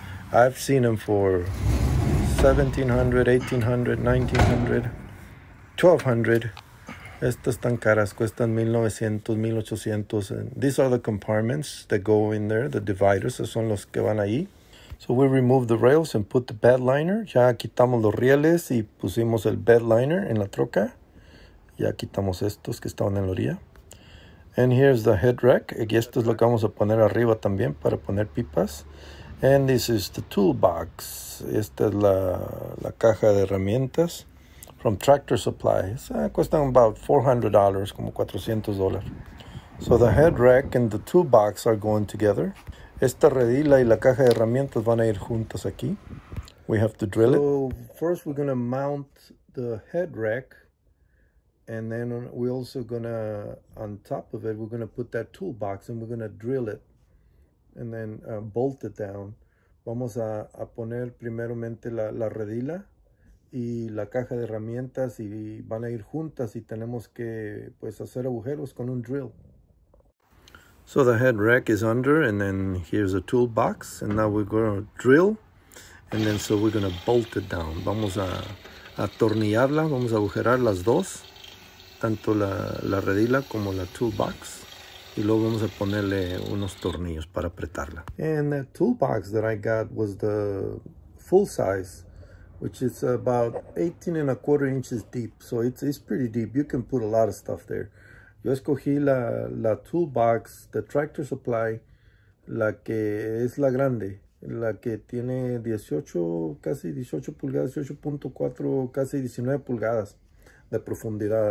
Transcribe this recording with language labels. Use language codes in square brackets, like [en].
[en] I've seen them for $1,700, $1,800, $1,900, $1,200. [es] Estas están caras, cuestan $1,900, $1,800. [en] These are the compartments that go in there, the dividers, [es] son los que van ahí. [en] So we remove the rails and put the bed liner. [es] Ya quitamos los rieles y pusimos el bed liner en la troca. Ya quitamos estos que estaban en la orilla. [en] And here's the head rack. [es] Y esto es lo que vamos a poner arriba también para poner pipas. [en] And this is the toolbox. [es] Esta es la caja de herramientas [en] from Tractor Supply. [es] Cuestan [en] about [es] $400, como $400. [en] So the head rack and the toolbox are going together. [es] Esta redila y la caja de herramientas van a ir juntas aquí. [en] We have to drill it. So first we're going to mount the head rack. And then we're also going to, on top of it, we're going to put that toolbox and we're going to drill it. And then bolt it down. [es] Vamos a poner primeramente la redila y la caja de herramientas y van a ir juntas y tenemos que pues hacer agujeros con un drill. [en] So the head rack is under and then here's a toolbox and now we're going to drill and then so we're going to bolt it down. [es] Vamos a atornillarla, vamos a agujerar las dos, tanto la redila como la toolbox. Y luego vamos a ponerle unos tornillos para apretarla. [en] And the toolbox that I got was the full size, which is about 18 and a quarter inches deep. So it's pretty deep. You can put a lot of stuff there. [es] Yo escogí la toolbox, the Tractor Supply, la que es la grande, la que tiene 18, casi 18 pulgadas, 18.4, casi 19 pulgadas de profundidad.